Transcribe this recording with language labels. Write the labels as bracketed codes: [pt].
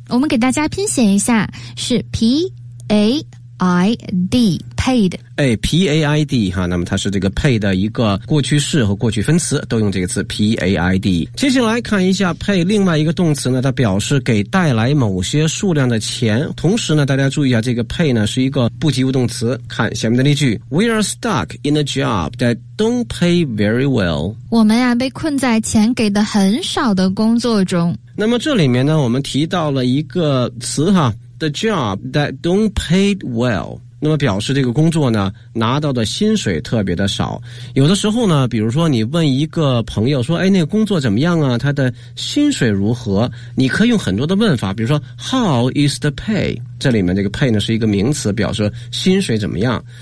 [zh] 我们给大家拼写一下，是 p a i d paid。哎 ，P-A-I-D 哈，那么它是这个 pay 的一个过去式和过去分词，都用这个词 P-A-I-D。接下来看一下 pay 另外一个动词呢，它表示给带来某些数量的钱。同时呢，大家注意一下，这个 pay 呢是一个不及物动词。看下面的例句 [en] ：We are stuck in a job that don't pay very well。 [zh] 我们呀，被困在钱给的很少的工作中。那么这里面呢，我们提到了一个词哈 ， [en] the job that don't pay well。 [zh] 那么表示这个工作呢拿到的薪水特别的少。有的时候呢，比如说你问一个朋友说，哎，那个工作怎么样啊，他的薪水如何，你可以用很多的问法，比如说 [en] How is the pay， [zh] 这里面这个 pay 呢是一个名词，表示薪水怎么样。